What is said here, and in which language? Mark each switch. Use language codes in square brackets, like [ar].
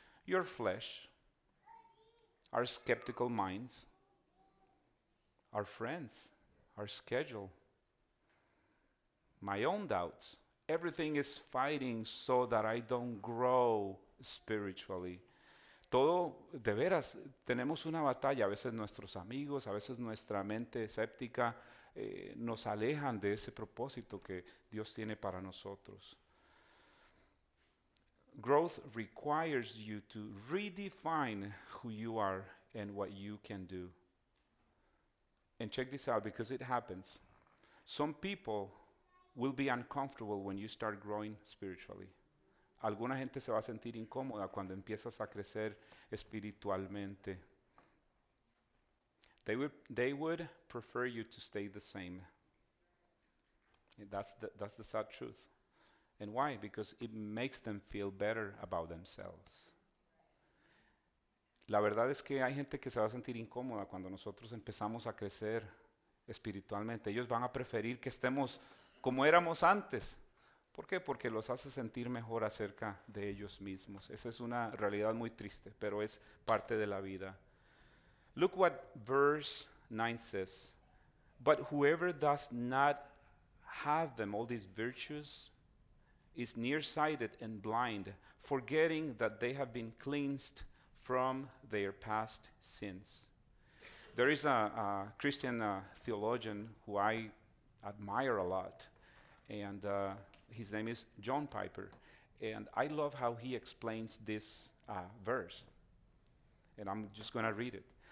[en] Your flesh, our skeptical minds, our friends, our schedule, my own doubts. Everything is fighting so that I don't grow spiritually. [es] Todo, de veras, tenemos una batalla. A veces nuestros amigos, a veces nuestra mente escéptica nos alejan de ese propósito que Dios tiene para nosotros. [en] Growth requires you to redefine who you are and what you can do. And check this out, because it happens. Some people will be uncomfortable when you start growing spiritually. [es] Alguna gente se va a sentir incómoda cuando empiezas a crecer espiritualmente. [en] They would prefer you to stay the same. That's the sad truth. And why? Because it makes them feel better about themselves. [es] La verdad es que hay gente que se va a sentir incómoda cuando nosotros empezamos a crecer espiritualmente. Ellos van a preferir que estemos como éramos antes. ¿Por qué? Porque los hace sentir mejor acerca de ellos mismos. Esa es una realidad muy triste, pero es parte de la vida. [en] Look what verse 9 says. But whoever does not have them, all these virtues, is nearsighted and blind, forgetting that they have been cleansed from their past sins. There is a Christian theologian who I admire a lot, and his name is John Piper, and I love how he explains this verse, and I'm just going to read it.